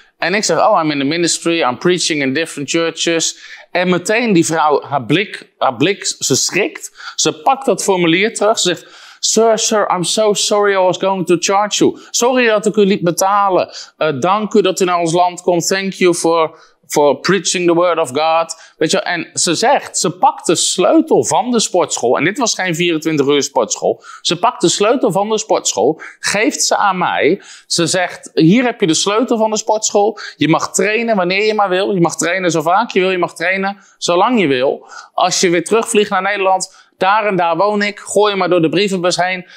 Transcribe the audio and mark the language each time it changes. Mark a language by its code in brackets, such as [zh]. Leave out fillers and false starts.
[nl] En ik zeg, oh, [en] I'm in the ministry, I'm preaching in different churches. [nl] En meteen die vrouw, haar blik, ze schrikt. Ze pakt dat formulier terug, ze zegt, [en] Sir, I'm so sorry I was going to charge you. [nl] Sorry dat ik u liet betalen. Dank u dat u naar ons land komt. [en] Thank you for preaching the word of God. [nl] Weet je, en ze zegt, ze pakt de sleutel van de sportschool. En dit was geen 24 uur sportschool. Ze pakt de sleutel van de sportschool. Geeft ze aan mij. Ze zegt, hier heb je de sleutel van de sportschool. Je mag trainen wanneer je maar wil. Je mag trainen zo vaak je wil. Je mag trainen zolang je wil. Als je weer terugvliegt naar Nederland, daar en daar woon ik. Gooi je maar door de brievenbus heen.